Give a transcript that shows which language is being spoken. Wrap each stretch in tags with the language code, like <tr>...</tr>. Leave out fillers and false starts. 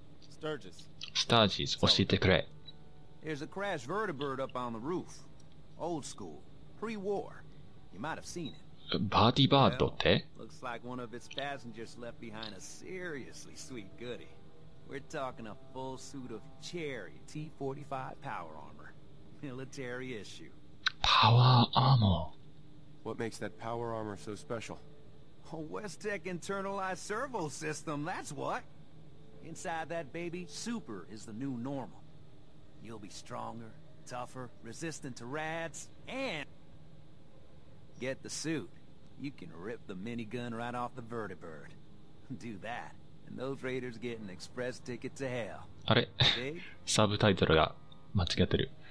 <ja>スタージス、教えてくれ。</ja> <en>There's a crashed vertebrate up on the roof. Old school. Pre-war. You might have seen it.</en> <ja>バーディバードって？</ja> <en>Well, looks like one of its passengers left behind a seriously sweet goodie. We're talking a full suit of Cherry T-45 power armor. Military issue. Power armor. What makes that power armor so special? A Westech internalized servo system, that's what. Inside that baby, super is the new normal. You'll be stronger, tougher, resistant to rads, and... Get the suit. You can rip the minigun right off the vertibird. Do that, and those raiders get an express ticket to hell.</en> <ja>あれ？サブタイトルが間違ってる。</ja>